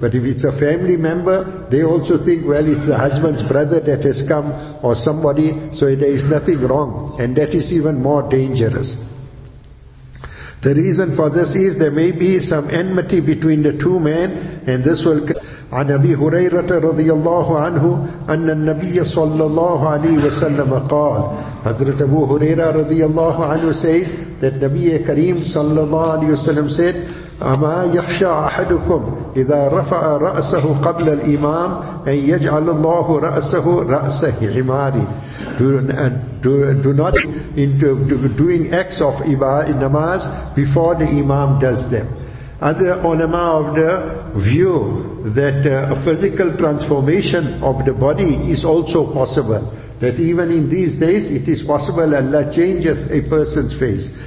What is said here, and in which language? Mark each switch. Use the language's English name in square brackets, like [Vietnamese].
[English] But if it's a family member, they also think, well, it's the husband's brother that has come or somebody, so there is nothing wrong, and that is even more dangerous. The reason for this is there may be some enmity between the two men, and this will. [Arabic] عن أبي هريرة رضي الله عنه أن النبي صلى الله عليه وسلم قال. حضرت أبو هريرة رضي الله عنه [English] says that [Arabic] نبي كريم صلى الله عليه وسلم [English] said, [Arabic] أما يخشى أحدكم إذا رفع رأسه قبل الإمام أن يجعل الله رأسه رأس حمار. [English] Do not doing acts of namaz before the imam does them. Other ulama of the view that a physical transformation of the body is also possible. That even in these days it is possible Allah changes a person's face.